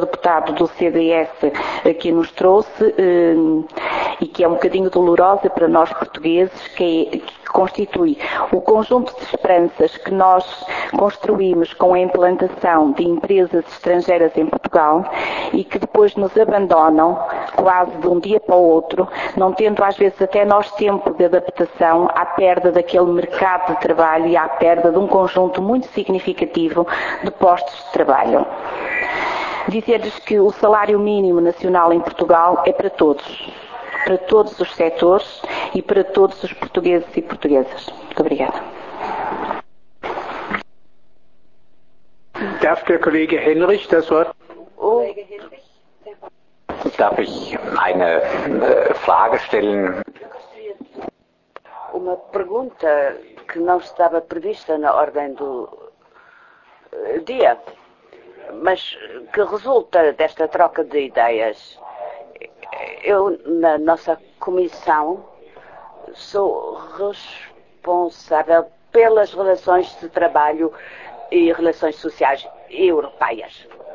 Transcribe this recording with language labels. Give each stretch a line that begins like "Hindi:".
Portuguese: Deputado do CDS aqui nos trouxe, e que é um bocadinho dolorosa para nós portugueses, que constitui o conjunto de esperanças que nós construímos com a implantação de empresas estrangeiras em Portugal e que depois nos abandonam quase de um dia para o outro, não tendo às vezes até nós tempo de adaptação à perda daquele mercado de trabalho e à perda de um conjunto muito significativo de postos de trabalho. Dizer-lhes que o salário mínimo nacional em Portugal é para todos os setores e para todos os portugueses e portuguesas. Muito obrigada.
German: Darf der Kollege Henrich das Wort? Darf ich eine Frage stellen?
Portuguese: Uma pergunta que não estava prevista na ordem do dia, mas que resulta desta troca de ideias. Eu, na nossa comissão, sou responsável pelas relações de trabalho e relações sociais europeias.